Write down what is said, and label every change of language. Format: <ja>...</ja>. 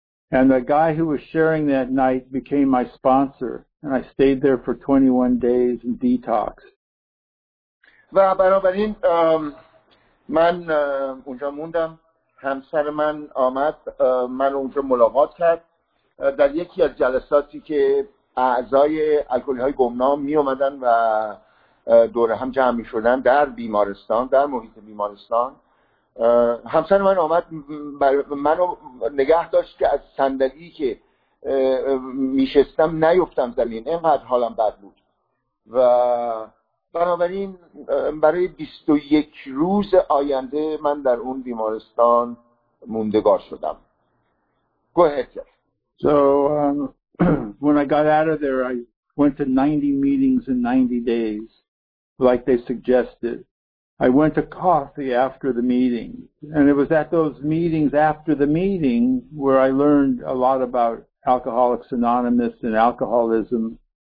<en>And the guy who was sharing that night became my sponsor and I stayed there for 21 days in detox.</en> <fa>و بنابراین من اونجا موندم، همسر من آمد من اونجا ملاقات کرد در یکی از جلساتی که اعضای الکلی های گمنام می اومدن و دوره هم جمع می شدن در بیمارستان، در محیط بیمارستان. همسر من آمد منو نگه داشت که از صندلی که می شستم نیفتم زمین، اینقدر حالم بد بود. و بنابراین برای 21 روز آینده من در اون بیمارستان موندگار شدم.</fa> <en>Go ahead, Jeff. So when I got out of there I went to 90 meetings in 90 days like they suggested. I went to coffee after the meeting and it was at those meetings after the meeting where I learned a lot about Alcoholics Anonymous and alcoholism.</en>